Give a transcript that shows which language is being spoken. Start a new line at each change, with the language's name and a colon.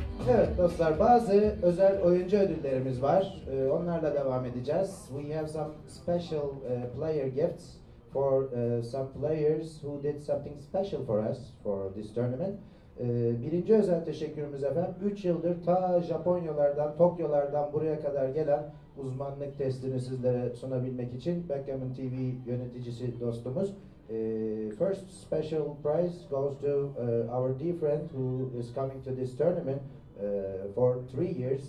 Turkish: Evet dostlar, bazı özel oyuncu ödüllerimiz var. Onlarla devam edeceğiz.
English: We have some special player gifts for some players who did something special for us for this tournament.
Turkish: Birinci özel teşekkürümüz efendim. 3 yıldır ta Japonyalardan, Tokyolardan buraya kadar gelen uzmanlık testini sizlere sunabilmek için Backgammon TV yöneticisi dostumuz.
English: First special prize goes to our dear friend who is coming to this tournament for 3 years.